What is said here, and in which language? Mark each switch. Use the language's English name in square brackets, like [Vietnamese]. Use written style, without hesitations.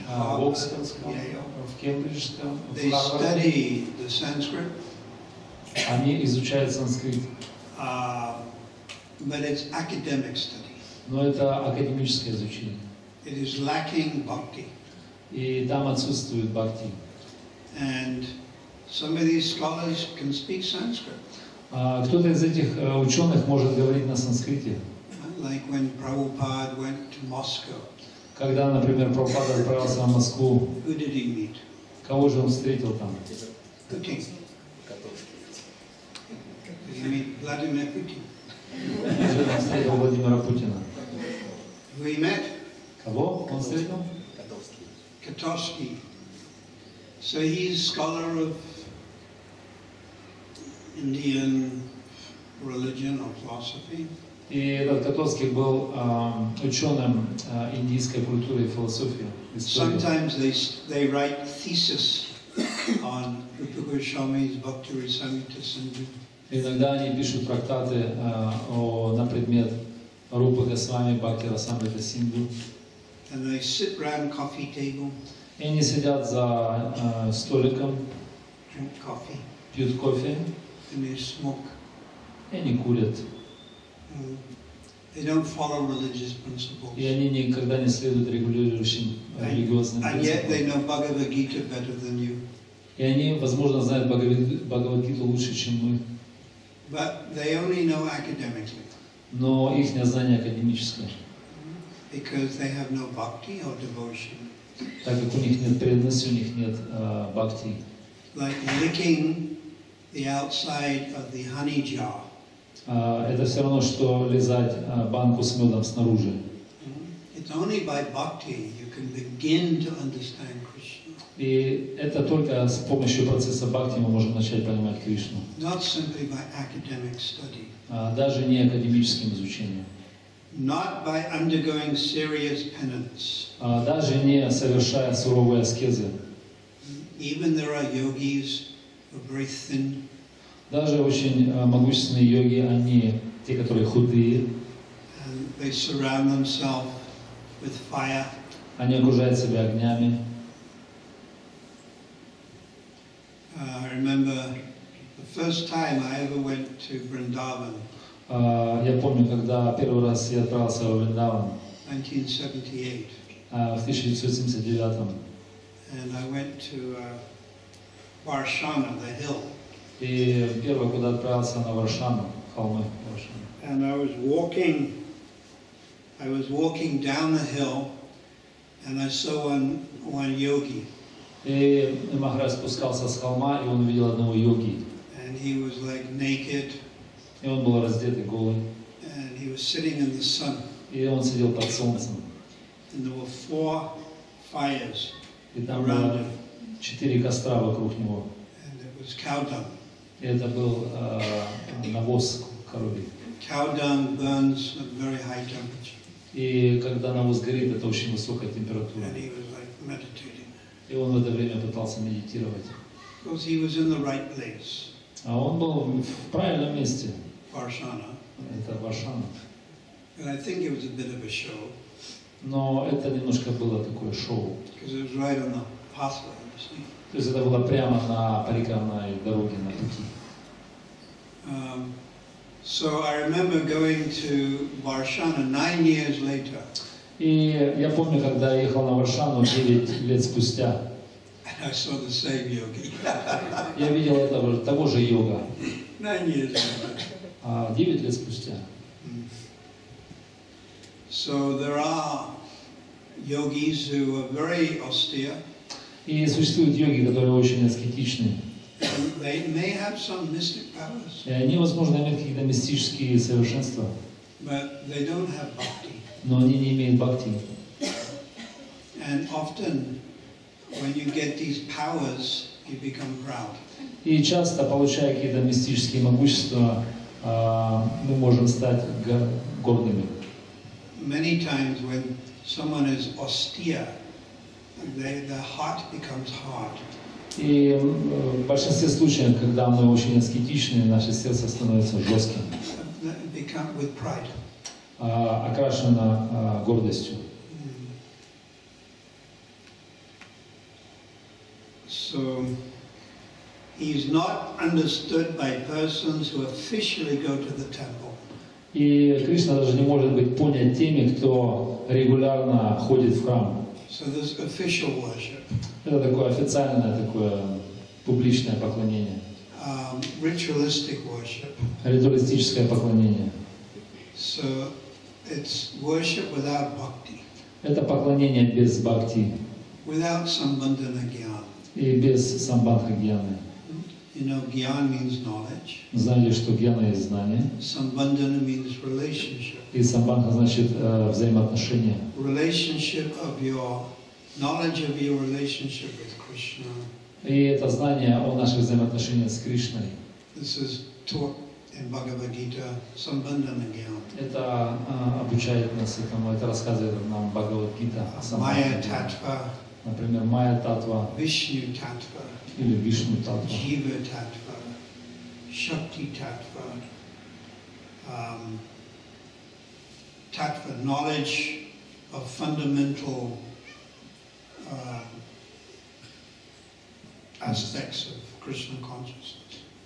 [Russian] В Оксфордском. В Кембриджском. [English] They study the Sanskrit. [Russian] Они изучают санскрит. [English] But it's academic study. [Russian] Но это академическое изучение. [English] It is lacking bhakti. [Russian] И там отсутствует бхакти. [English] And some of these scholars can speak Sanskrit. [Russian] Кто-то из этих ученых может говорить на санскрите. [English] Like when Prabhupada went to Moscow. [Russian] Когда, например, Прабхупада отправился в Москву. [English] Who did he meet? [Russian] Кого же он встретил там? [English] Putin. Did he meet Vladimir Putin? [Russian] Он встретил Владимира Путина. [English] Who he met? [Russian] Кого он встретил? [English] Katovsky. So he's scholar of Indian religion or philosophy. [Russian] И этот Katovsky был ученым индийской культуры и философии. [English] Sometimes they write thesis on Rupa Goswami's Bhakti Rasamrita Sindhu. [Russian] Иногда они пишут трактаты на предмет Рупы Госвами, Бхакти Расамриты Синдху. [English] And they sit around coffee table. [Russian] И они сидят за столиком, [English] drink coffee. [Russian] Пьют кофе. [English] And they smoke. [Russian] И они курят. [English] They don't follow religious principles. [Russian] И они никогда не следуют регулирующим религиозным [English] principles. And yet they know Bhagavad Gita better than you. [Russian] И они, возможно, знают Бхагавад Гиту лучше, чем мы. [English] But they only know academically. [Russian] Но их знание академическое. [English] Because they have no bhakti or devotion. [Russian] Так как у них нет преданности, у них нет бхакти. [English] Like licking the outside of the honey jar. [Russian] Это все равно, что лизать банку с медом снаружи. [English] It's only by bhakti you can begin to understand Krishna. [Russian] И это только с помощью процесса бхакти мы можем начать понимать Кришну. [English] Not simply by academic study. [Russian] Даже не академическим изучением. [English] Not by undergoing serious penance. [Russian] Даже не совершая суровые аскезы. [English] Even there are yogis who are very thin. [Russian] Даже очень могущественные йоги, они те, которые худые, [English] they surround themselves with fire. [Russian] Они окружают себя огнями. [English] I remember the first time I ever went to Vrindavan. [Russian] Я помню, когда первый раз я отправился в Вриндаван. [English] 1978. And I went to Varshana, the hill. [Russian] И первый, куда отправился, на Варшану, холмы Варшана. [English] And I was walking down the hill, and I saw one yogi. [Russian] И Махарадж спускался с холма, и он увидел одного йоги. [English] And he was like naked. [Russian] И он был раздетый, голый. [English] And he was sitting in the sun. [Russian] И он сидел под солнцем. [English] And there were four fires. [Russian] И там было четыре костра вокруг него. [English] And it was cow dung. [Russian] И это был навоз коровий. [English] Cow dung burns at very high temperature. [Russian] И когда навоз горит, это очень высокая температура. [English] And he was like meditating. [Russian] И он в это время пытался медитировать. [English] Because he was in the right place. [Russian] А он был в правильном месте. Варшана. Это Варшана. [English] And I think it was a bit of a show. [Russian] Но это немножко было такое шоу. [English] Because it was right on the pathway, you see. [Russian] То есть это было прямо на парикамной дороге, на пути. [English] So I remember going to Varshana 9 years later. [Russian] И я помню, когда я ехал на Варшану 9 лет спустя. [English] And I saw the same yogi. [Russian] Я видел этого, того же йога. [English] 9 years later. [Russian] 9 лет спустя. [English] So there are yogis who are very austere. [Russian] И существуют йоги, которые очень аскетичны. [English] They may have some mystic powers. [Russian] И они, возможно, имеют какие-то мистические совершенства. [English] But they don't have bhakti. [Russian] Но они не имеют бхакти. [English] And often, when you get these powers, you become proud. [Russian] И часто, получая какие-то мистические могущества, мы можем стать гордыми. [English] Many times when someone is austere, the heart becomes hard. [Russian] И в большинстве случаев, когда мы очень аскетичны, наше сердце становится жестким. [English] Become with pride. [Russian] Окрашено гордостью. [English] So he is not understood by persons who officially go to the temple. [Russian] И Кришна даже не может быть понят теми, кто регулярно ходит в храм. [English] So there's official worship. [Russian] Это такое официальное, такое публичное поклонение. [English] Ritualistic worship. [Russian] Ритуалистическое поклонение. [English] So it's worship without bhakti. [Russian] Это поклонение без бхакти. [English] Without sambandhana gyan. [Russian] И без самбандха гьяны. [English] You know, gyan means knowledge. [Russian] Знали, что гьяна есть знание. [English] Sambandhana means relationship. [Russian] И самбандха значит взаимоотношения. [English] Relationship of your knowledge of your relationship with Krishna. [Russian] И это знание о наших взаимоотношениях с Кришной. [English] This is taught in Bhagavad Gita, sambandhana gyan. [Russian] Это обучает нас этому, это рассказывает нам Бхагавад Гита. Майя татва. Например, майя татва. Вишну татва. Или Вишну татва. [English] Джива татва, Шакти татва, татва knowledge of fundamental aspects of Krishna consciousness.